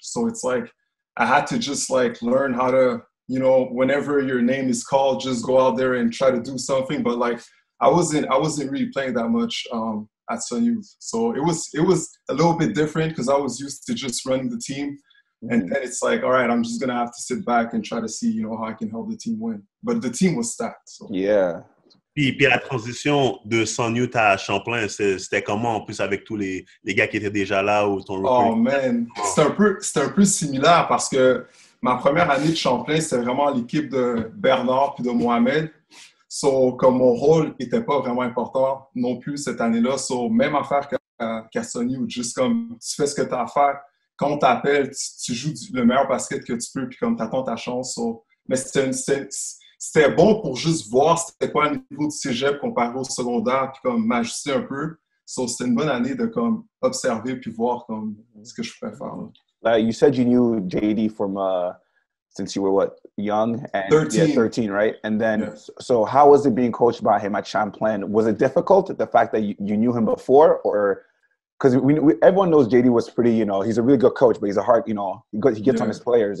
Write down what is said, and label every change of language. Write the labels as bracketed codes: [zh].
[en] So it's like I had to just, like, learn how to, you know, whenever your name is called, just go out there and try to do something. But, like, I wasn't really playing that much at Sun Youth. So it was a little bit different because I was used to just running the team. Mm-hmm. And then it's like, all right, I'm just going to have to sit back and try to see, you know, how I can help the team win. But the team was stacked. So. Yeah. [fr] Puis la transition de Sun Youth à Champlain, c'était comment en plus avec tous les gars qui étaient déjà là ou ton recrutement? Oh man, c'est un peu similaire parce que ma première année de Champlain, c'était vraiment l'équipe de Bernard puis de Mohamed. So, comme mon rôle n'était pas vraiment important non plus cette année-là. So, même affaire qu'à Sun Youth, juste comme tu fais ce que tu as à faire. Quand on t'appelle, tu joues le meilleur basket que tu peux puis comme tu attends ta chance. So, mais c'était bon pour juste voir c'était quoi le niveau du cégep comparé au secondaire puis comme m'ajuster un peu. So, c'était une bonne année de comme observer puis voir comme ce que je pouvais faire. [en] You said you knew JD from since you were what, young? And, 13. Yeah, 13, right? And then, yes. So how was it being coached by him at Champlain? Was it difficult, the fact that you knew him before? Or because everyone knows JD was pretty, you know, he's a really good coach, but he's a hard, you know, he gets on his players.